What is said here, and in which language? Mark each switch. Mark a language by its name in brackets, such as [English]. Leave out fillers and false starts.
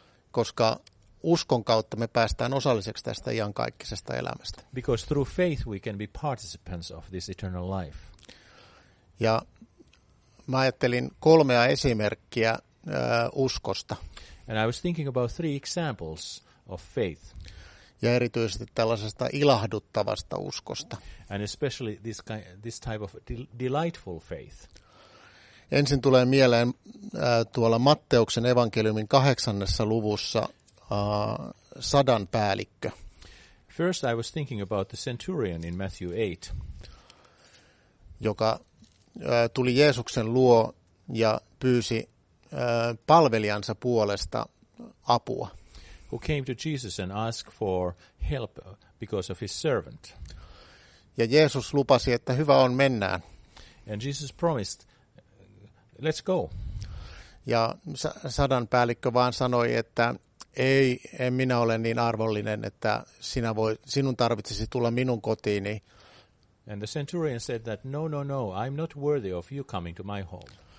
[Finnish] Koska uskon kautta me päästään osalliseksi tästä iankaikkisesta elämästä. [English] Because through faith we can be participants of this eternal life. [Finnish] Ja mä ajattelin 3 esimerkkiä uskosta. [English] And I was thinking about 3 examples of faith. [Finnish] Ja erityisesti tällaisesta ilahduttavasta uskosta. [English] And especially this type of delightful faith. [Finnish] Ensin tulee mieleen tuolla Matteuksen evankeliumin 8. luvussa sadan päällikkö. [English] First I was thinking about the centurion in Matthew 8. [Finnish] Joka tuli Jeesuksen luo ja pyysi palvelijansa puolesta apua. [English] Who came to Jesus and asked for help because of his servant. [Finnish] Ja Jeesus lupasi, että hyvä on, mennään. [English] And Jesus promised, let's go. [Finnish] Ja sadan päällikkö vaan sanoi, että ei, en minä ole niin arvollinen, että sinun tarvitsisi tulla minun kotiini. [English] And the centurion said that no, I'm not worthy of you coming to my home.